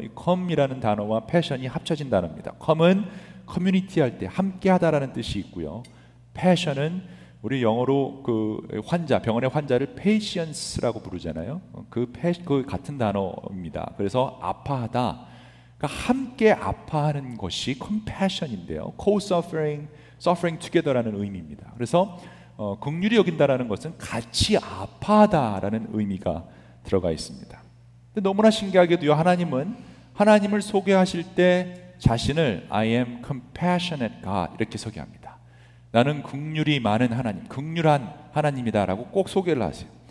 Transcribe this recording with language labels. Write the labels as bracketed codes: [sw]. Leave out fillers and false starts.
[ko] 이 come이라는 단어와 passion이 합쳐진 단어입니다. come은 커뮤니티 할 때 함께하다라는 뜻이 있고요. passion은 우리 영어로 그 환자, 병원의 환자를 patience라고 부르잖아요. 그 같은 단어입니다. 그래서 아파하다, 그러니까 함께 아파하는 것이 compassion인데요. co-suffering, suffering together라는 의미입니다. 그래서 긍휼히 여긴다라는 것은 같이 아파하다라는 의미가 들어가 있습니다. 근데 너무나 신기하게도요, 하나님은 하나님을 소개하실 때 자신을 [en] I am compassionate God [ko] 이렇게 소개합니다. 나는 긍휼이 많은 하나님, 긍휼한 하나님이다라고 꼭 소개를 하세요.